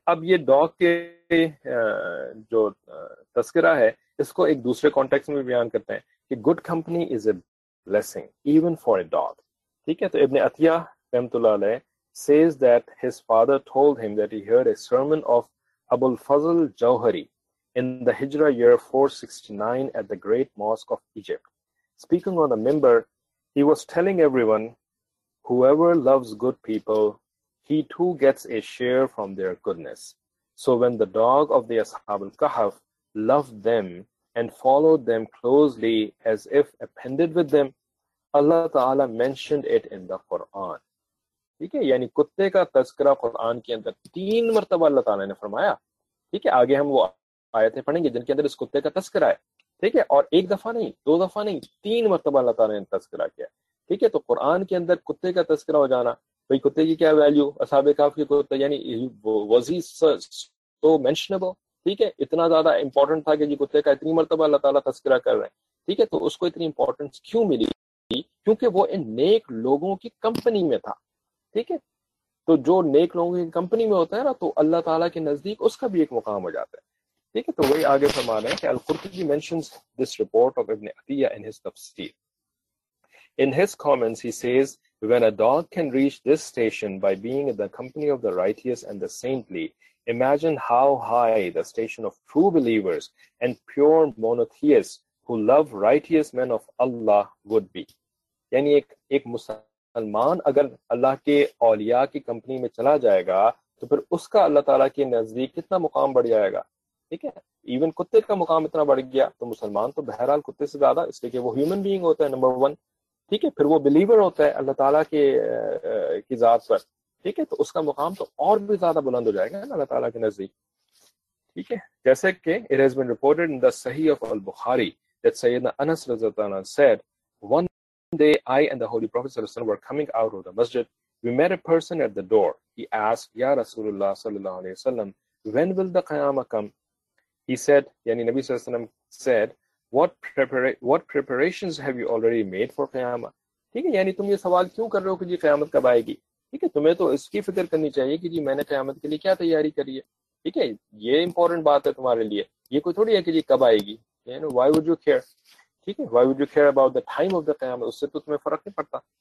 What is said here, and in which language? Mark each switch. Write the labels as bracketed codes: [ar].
[ur] اب یہ ڈاگ کے جو تذکرہ ہے اس کو ایک دوسرے کانٹیکسٹ میں بیان کرتے ہیں کہ [en] good company is a blessing even for a dog, [ur] ٹھیک ہے. تو ابن عطیہ رحمۃ اللہ علیہ [en] says that his father told him that he heard a sermon of Abul Fazl Jauhari in the Hijra year 469 at the Great Mosque of Egypt. Speaking on the minbar, he was telling everyone, whoever loves good people, he too gets a share from their goodness. So when the dog of the Ashab al-Kahf loved them and followed them closely as if appended with them, Allah Ta'ala mentioned it in the Quran. [ur] ٹھیک ہے, یعنی کتے کا تذکرہ قرآن کے اندر تین مرتبہ اللہ تعالیٰ نے فرمایا, ٹھیک ہے. آگے ہم وہ آیتیں پڑھیں گے جن کے اندر اس کتے کا تذکرہ ہے, ٹھیک ہے, اور ایک دفعہ نہیں, دو دفعہ نہیں, تین مرتبہ اللہ تعالیٰ نے تذکرہ کیا, ٹھیک ہے. تو قرآن کے اندر کتے کا تذکرہ ہو جانا, بھائی کتے کی کیا ویلیو, اصحاب کہف کے کتے, یعنی [en] was he so mentionable, [ur] ٹھیک ہے, اتنا زیادہ امپورٹنٹ تھا کہ جی کتے کا اتنی مرتبہ اللہ تعالیٰ تذکرہ کر رہے ہیں, ٹھیک ہے. تو اس کو اتنی امپورٹنس کیوں ملی, کیونکہ وہ ان نیک لوگوں کی کمپنی میں تھا, ٹھیک ہے. تو جو نیک لوگوں کی کمپنی میں ہوتا ہے نا, تو اللہ تعالیٰ کے نزدیک اس کا بھی ایک مقام ہو جاتا ہے, ٹھیک ہے. تو وہی آگے فرما رہے ہیں کہ القرطبی [en] mentions this report of [ur] ابن عطیہ [en] in his tafsir. In his comments he says, when a dog can reach this station by being in the company of the righteous and the saintly, imagine how high the station of true believers and pure monotheists who love righteous men of Allah would be. [ur] یعنی ایک مسلمان اگر اللہ کے اولیاء کی company میں چلا جائے گا تو پھر اس کا اللہ تعالیٰ کے نزدیک کتنا مقام بڑھ جائے گا, ٹھیک ہے. ایون کتے کا مقام اتنا بڑھ گیا تو مسلمان تو بہرحال کتے سے زیادہ, اس لیے کہ وہ ہیومن بینگ ہوتا ہے نمبر ون, ٹھیک ہے. پھر وہ بلیور ہوتا ہے اللہ تعالیٰ کی ذات پر, ٹھیک ہے. تو اس کا مقام تو اور بھی زیادہ بلند ہو جائے گا اللہ تعالیٰ کے نزدیک, ٹھیک ہے. جیسے کہ [en] It has been reported in the صحیح of البخاری that سیدنا انس رضی اللہ عنہ said, one One day, I and the Holy Prophet ﷺ were coming out of the masjid. We met a person at the door. He asked, Ya Rasulullah sallallahu alayhi wa sallam, when will the Qiyamah come? He said, yani Nabi sallallahu alayhi wa sallam said, what preparations have you already made for qiyamah? [ur] ٹھیک ہے, یعنی تم یہ سوال کیوں کر رہے ہو کہ جی قیامت کب آئے گی؟ ٹھیک ہے, تمہیں تو اس کی فکر کرنی چاہیے کہ جی میں نے قیامت کے لیے کیا تیاری کری ہے. ٹھیک ہے, یہ امپورٹنٹ بات ہے تمہارے لیے, یہ کوئی تھوڑی ہے کہ جی کب آئے گی. یعنی [en] why would you care, [ur] ٹھیک ہے, [en] why would you care about the time of the قیامت, [ur] اس سے تو تمہیں فرق نہیں پڑتا.